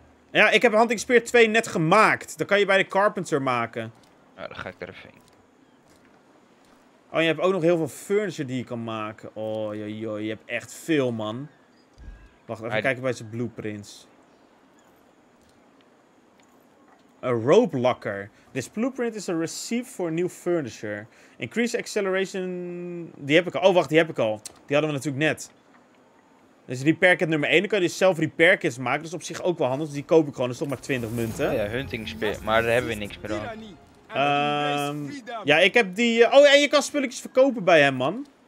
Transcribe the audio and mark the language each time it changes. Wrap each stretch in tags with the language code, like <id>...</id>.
<nl>Ja, ik heb hunting spear 2 net gemaakt. Dat kan je bij de carpenter maken. Ja, dan ga ik er even in. Oh, je hebt ook nog heel veel furniture die je kan maken. Oh, joh, je hebt echt veel, man. Wacht, even kijken bij zijn blueprints. Een rope locker.</nl> <en>This blueprint is a receipt for new furniture. Increase acceleration...</en> <nl>Die heb ik al. Oh, wacht, die heb ik al. Die hadden we natuurlijk net. Dus repair kit nummer 1, dan kan je dus zelf repair kits maken. Dat is op zich ook wel handig, dus die koop ik gewoon. Dat is toch maar 20 munten. Oh ja, hunting spear, maar daar hebben we niks meer aan. Ja, ik heb die... Oh, en je kan spulletjes verkopen bij hem, man.</nl>